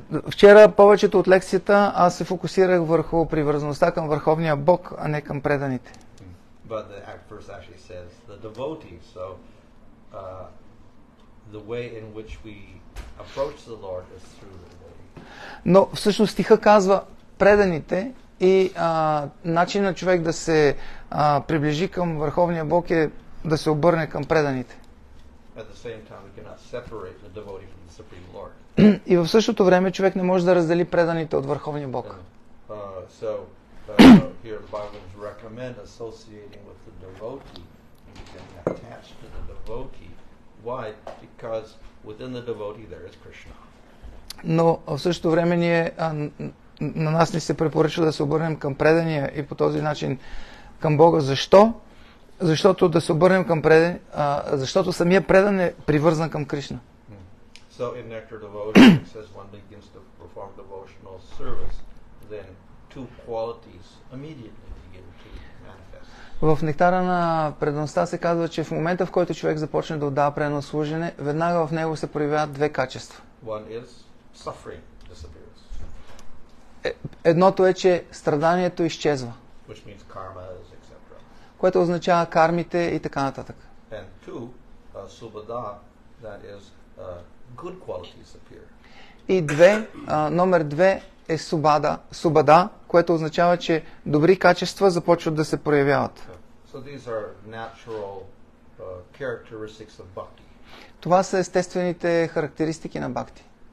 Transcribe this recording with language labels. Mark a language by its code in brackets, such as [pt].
[bg] Вчера повечето от лекцията аз се фокусирах върху привързаността към върховния Бог, а не към преданите. [en] But the verse actually says the devotees, so the way in which we approach the Lord is through the devotees. [bg] Но всъщност стиха казва преданите и начинът човек да се приближи към върховния Бог е да се обърне към преданите. [en] At the same time we cannot separate the devotee from the supreme Lord. [bg] И в същото време човек не може да раздели преданите от върховния Бог. [en] Here the Bible would recommend associating with the devotee and becoming attached to the devotee. Why? Because within the devotee there is Krishna. [bg] Но в същото време ние на нас ни се препоръчва да се обърнем към предания и по този начин към Бога. Защо? Защото да се обърнем към предан, защото самия предан е привързан към Кришна. [en] So in nectar devotion, it says one begins to perform devotional service, then two qualities immediately begin to manifest. [bg] В нектара на преданността се казва, че в момента, в който човек започне да отдава предано служене, веднага в него се проявяват две качества. [en] One is suffering disappears. [bg] Едното е, че страданието изчезва. [en] Which means karma, etc. [bg] Което означава кармите и така нататък. [en] And two, subhada, that is good qualities appear. [bg] И две, номер две е субада, субада, което означава, че добри качества започват да се проявяват. [en] So these are natural, characteristics of bhakti. [bg] Това са естествените характеристики на бхакти.